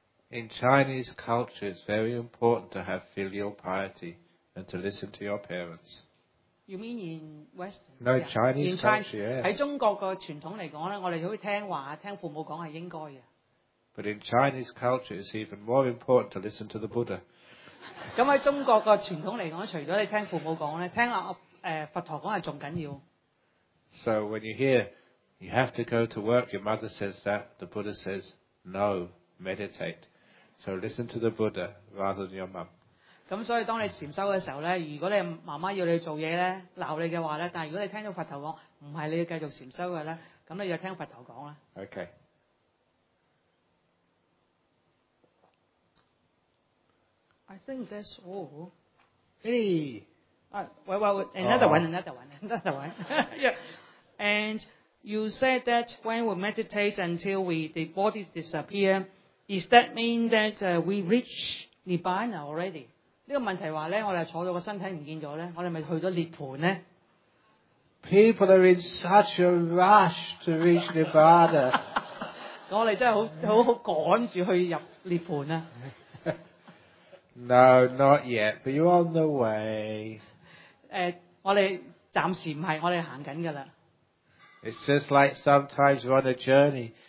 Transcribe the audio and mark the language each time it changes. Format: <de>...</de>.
<en>In Chinese culture, it's very important to have filial piety and to listen to your parents. You mean in Western? No, Chinese culture.</en> <yue>喺中國嘅傳統嚟講咧，我哋好聽話，聽父母講係應該嘅。</yue> <en>But in Chinese culture, it's even more important to listen to the Buddha.</en> <yue>咁喺中國個傳統嚟講，除咗你聽父母講咧，聽佛陀講係仲緊要。</yue> <en>So when you hear you have to go to work, your mother says that, the Buddha says no, meditate. So listen to the Buddha rather than your mum.</en> <yue>咁所以當你禅修嘅時候咧，如果你媽媽要你做嘢咧，鬧你嘅話咧，但係如果你聽到佛陀講唔係你要繼續禅修嘅咧，咁你就聽佛陀講啦。</yue> <en>Okay. I think that's all. Hey! Another one. Yeah. And you said that when we meditate until the body disappears, does that mean that we reach Nibbana already? This question is, we are sitting here, the body is not gone, we are going to Nibbana. People are in such a rush to reach Nibbana. We are really rushing to reach Nibbana. No, not yet, but you're on the way.</en> <yue>我哋暂时唔系，我哋行紧噶啦。</yue> <en>It's just like sometimes we're on a journey.</en>